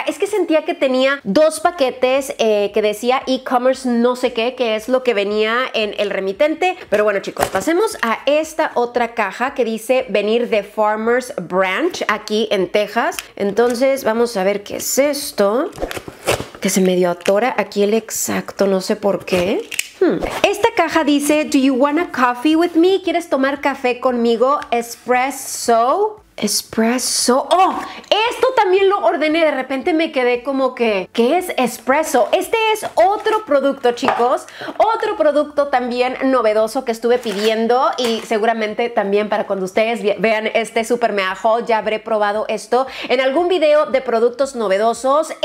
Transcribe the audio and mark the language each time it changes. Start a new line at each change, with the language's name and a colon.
Spanish: Es que sentía que tenía dos paquetes que decía e-commerce no sé qué, que es lo que venía en el remitente. Pero bueno, chicos, pasemos a esta otra caja que dice venir de Farmers Branch aquí en Texas. Entonces, vamos a ver qué es esto. Que se medio atora aquí el exacto, no sé por qué. Esta caja dice,
English: do you want a coffee with me?
Spanish: ¿Quieres tomar café conmigo? Espresso. Espresso. ¡Oh! Esto también lo ordené. De repente me quedé como que... ¿Qué es espresso? Este es otro producto, chicos. Otro producto también novedoso que estuve pidiendo. Y seguramente también para cuando ustedes vean este Super Mega Haul, ya habré probado esto en algún video de productos novedosos.